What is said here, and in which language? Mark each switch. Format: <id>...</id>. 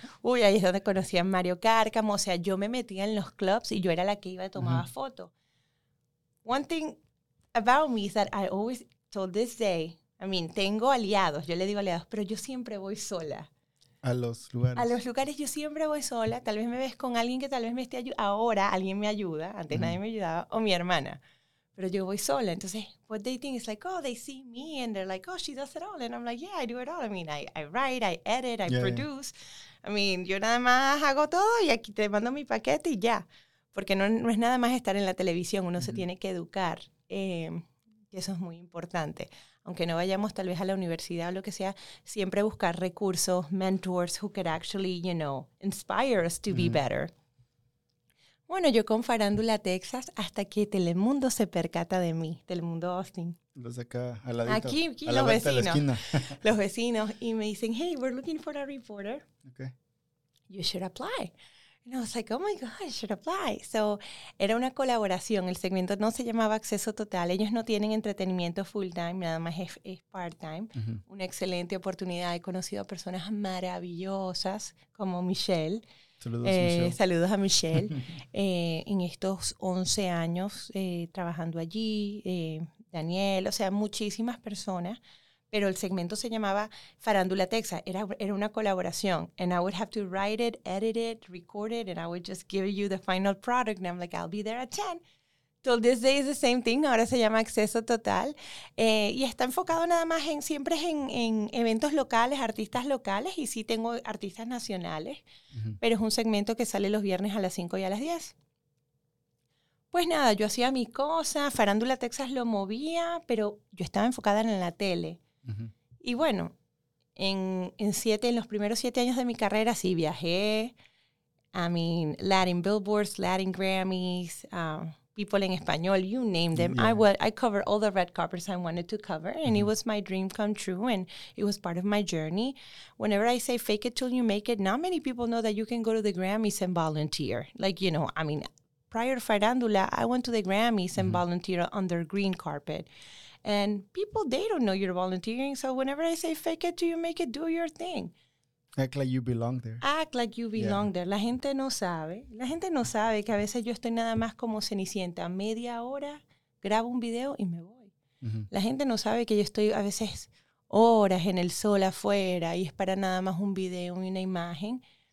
<es>Uy, ahí es donde conocí a Mario Cárcamo. O sea, yo me metía en los clubs y yo era la que iba y tomaba fotos.</es> <en>One thing about me is that I always told this day, I mean,</en> <es>tengo aliados, yo le digo aliados, pero yo siempre voy sola. A los lugares. A los lugares yo siempre voy sola. Tal vez me ves con alguien que tal vez me esté ayudando. Ahora alguien me ayuda. Antes nadie me ayudaba. O mi hermana. Pero yo voy sola.</es> <en>Entonces, what they think is like, oh, they see me and they're like, oh, she does it all. And I'm like, yeah, I do it all. I mean, I write, I edit, I produce. Yeah. I mean,</en> <es>yo nada más hago todo y aquí te mando mi paquete y ya. Porque no es nada más estar en la televisión. Uno se tiene que educar. Eso es muy importante. Aunque no vayamos tal vez a la universidad o lo que sea, siempre buscar recursos,</es> <en>mentors who could actually, you know, inspire us to be better.</en> <es>Bueno, yo con Farándula Texas hasta que Telemundo se percata de mí. Telemundo Austin. Los de acá, al ladito. Aquí a los la vecinos. La los vecinos. Y me dicen,</es> <en>hey, we're looking for a reporter. Okay. you should apply. And I was like, oh my God, I should apply.</en> <es>So era una colaboración. El segmento no se llamaba Acceso Total. Ellos no tienen entretenimiento full time, nada más es part time. Uh-huh. Una excelente oportunidad. He conocido a personas maravillosas como Michelle. Saludos a Michelle. en estos 11 años trabajando allí, Daniel, o sea, muchísimas personas. Pero el segmento se llamaba Farandula Texas. Era una colaboración.</es> <en>And I would have to write it, edit it, record it, and I would just give you the final product. And I'm like, I'll be there at 10. Till this day is the same thing.</en> <es>Ahora se llama Acceso Total. Y está enfocado nada más en, siempre es en eventos locales, artistas locales. Y sí tengo artistas nacionales. Uh-huh. Pero es un segmento que sale los viernes a las 5 y a las 10. Pues nada, yo hacía mi cosa. Farándula Texas lo movía, pero yo estaba enfocada en la tele. Uh-huh. Y bueno, en los primeros 7 años de mi carrera sí viajé.</es> <en>I mean, Latin Billboards, Latin Grammys, People en Español, you name them. Yeah. I covered all the red carpets I wanted to cover, and It was my dream come true, and it was part of my journey. Whenever I say fake it till you make it, not many people know that you can go to the Grammys and volunteer. Like, you know, I mean, prior to Farandula, I went to the Grammys mm-hmm. and volunteered on their green carpet. And people, they don't know you're volunteering. So whenever I say fake it till you make it, do your thing. Act like you belong there. Act like you belong yeah. there.</en> <es>La gente no sabe. La gente no sabe que a veces yo estoy nada más como cenicienta. Media hora, grabo un video y me voy. Mm-hmm. La gente no sabe que yo estoy a veces horas en el sol afuera y es para nada más un video y una imagen.</es>